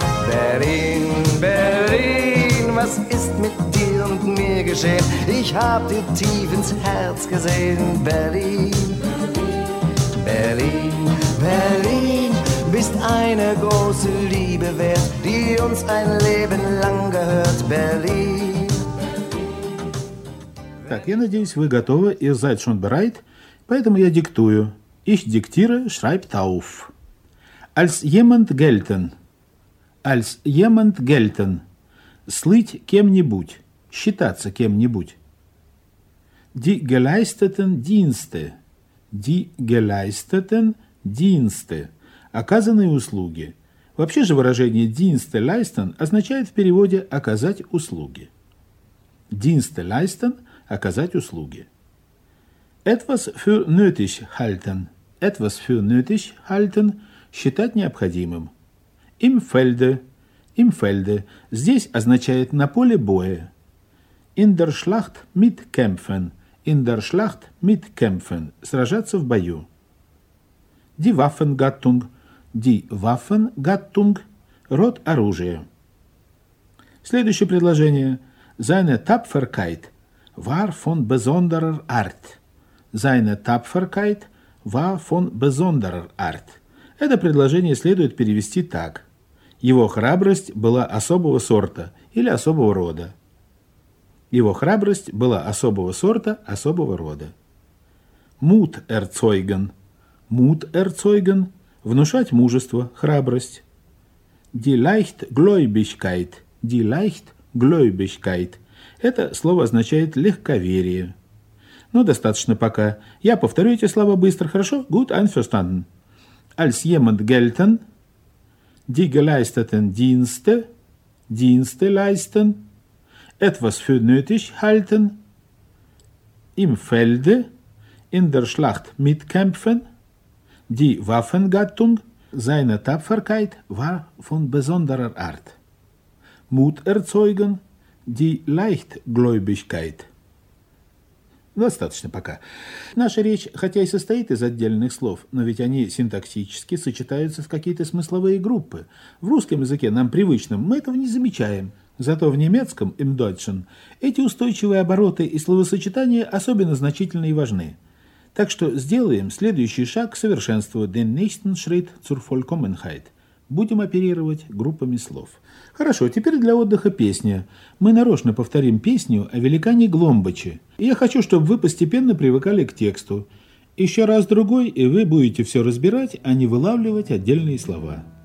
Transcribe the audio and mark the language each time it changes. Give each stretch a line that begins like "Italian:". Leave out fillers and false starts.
German: Berlin, Berlin, was ist mit dir und mir geschehen? Ich hab dir tief ins Herz gesehen, Berlin. Berlin, Berlin, bist eine große Liebe wert, die uns ein Leben lang gehört, Berlin.
Russian: Так, я надеюсь, вы готовы,
German: ihr seid schon bereit,
Russian: поэтому я диктую.
German: Ich diktiere, schreibt auf. Als jemand gelten. Als jemand gelten.
Russian: Слыть кем-нибудь. Считаться кем-нибудь.
German: Die geleisteten Dienste. Die geleisteten Dienste.
Russian: Оказанные услуги. Вообще же выражение Dienste leisten означает в переводе «оказать услуги».
German: Dienste leisten –
Russian: оказать услуги.
German: Etwas für nötig halten. Etwas für nötig halten.
Russian: Считать необходимым.
German: Im Felde. Im Felde.
Russian: Здесь означает на поле боя.
German: In der Schlacht mitkämpfen. In der Schlacht mitkämpfen.
Russian: Сражаться в бою.
German: Die Waffengattung. Die Waffengattung.
Russian: Род оружия. Следующее предложение.
German: Seine Tapferkeit. War von besonderer Art. Seine Tapferkeit war von besonderer Art.
Russian: Это предложение следует перевести так. Его храбрость была особого сорта или особого рода. Его храбрость была особого сорта, особого рода.
German: Mut erzeugen. Mut erzeugen.
Russian: Внушать мужество, храбрость.
German: Die Leichtgläubigkeit. Die Leichtgläubigkeit.
Russian: Это слово означает легковерие. Ну, достаточно пока. Я повторю эти слова быстро, хорошо?
German: Gut, einverstanden. Als jemand gelten, die geleisteten Dienste, Dienste leisten, etwas für nötig halten, im Felde, in der Schlacht mitkämpfen, die Waffengattung, seine Tapferkeit war von besonderer Art. Mut erzeugen, die Leichtgläubigkeit.
Russian: Достаточно пока. Наша речь, хотя и состоит из отдельных слов, но ведь они синтаксически сочетаются в какие-то смысловые группы. В русском языке, нам привычном, мы этого не замечаем. Зато в немецком,
German: im Deutschen,
Russian: эти устойчивые обороты и словосочетания особенно значительны и важны. Так что сделаем следующий шаг к совершенству.
German: Den nächsten Schritt zur Vollkommenheit.
Russian: Будем оперировать группами слов. Хорошо, теперь для отдыха песня. Мы нарочно повторим песню о великане Гломбаче. И я хочу, чтобы вы постепенно привыкали к тексту. Еще раз другой, и вы будете все разбирать, а не вылавливать отдельные слова.